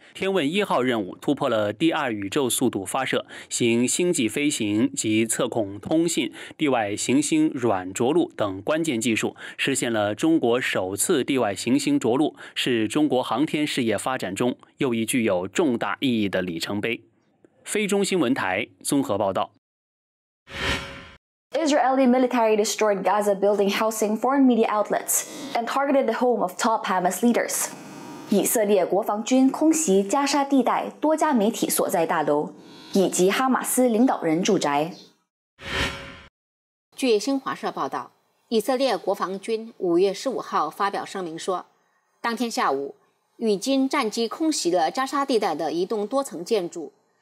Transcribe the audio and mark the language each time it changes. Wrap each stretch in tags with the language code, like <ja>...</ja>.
<zh>天问一号任务突破了第二宇宙速度发射、行星际飞行及测控通信、地外行星软着陆等关键技术，实现了中国首次地外行星着陆，是中国航天事业发展中又一具有重大意义的里程碑。非中新闻台综合报道。</zh> <en>Israeli military destroyed Gaza building housing foreign media outlets and targeted the home of top Hamas leaders.</en> <zh>以色列国防军空袭加沙地带多家媒体所在大楼以及哈马斯领导人住宅。据新华社报道，以色列国防军5月15号发表声明说，当天下午与军战机空袭了加沙地带的一栋多层建筑。</zh>